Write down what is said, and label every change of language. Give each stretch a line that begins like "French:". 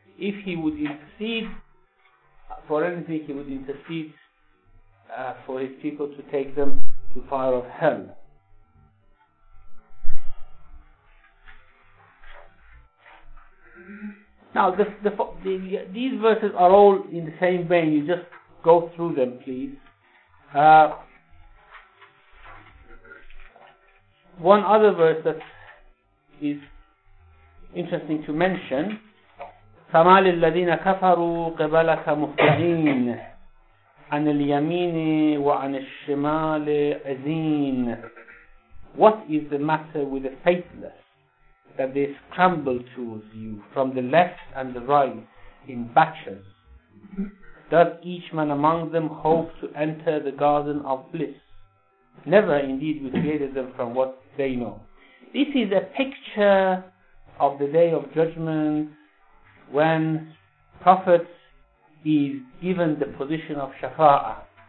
English: If he would intercede for anything, he would intercede for his people to take them to fire of hell. Now, these verses are all in the same vein. You just go through them, please. One other verse that is interesting to mention:
Arabic: "فَمَا لِلَّذِينَ كَفَرُوا قِبَلَكَ مُحْتَعِينَ عَنِ الْيَمِينِ وَعَنِ الشِّمَالِ عَزِينَ."
English: What is the matter with the faithless that they scramble towards you from the left and the right in batches? Does each man among them hope to enter the garden of bliss? Never indeed we created them from what they know. This is a picture of the day of judgment when prophets is given the position of Shafa'a.